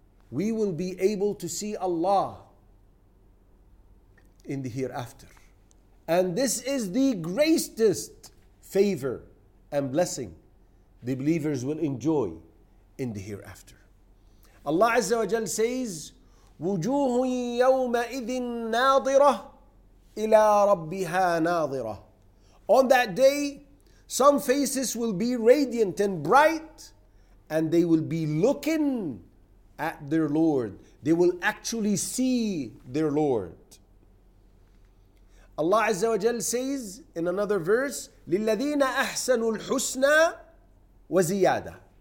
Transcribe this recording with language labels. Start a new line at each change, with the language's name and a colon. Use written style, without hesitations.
English: We will be able to see Allah in the hereafter. And this is the greatest favor and blessing the believers will enjoy in the hereafter. Allah Azza wa Jal says,
Arabic: وُجُوهٌ يَوْمَئِذٍ نَاظِرَةٌ إِلَىٰ رَبِّهَا نَاظِرَةٌ.
English: On that day, some faces will be radiant and bright, and they will be looking at their Lord. They will actually see their Lord. Allah Azza wa Jal says in another verse,
Arabic: لِلَّذِينَ أَحْسَنُوا الْحُسْنَى وَزِيَادَةٌ.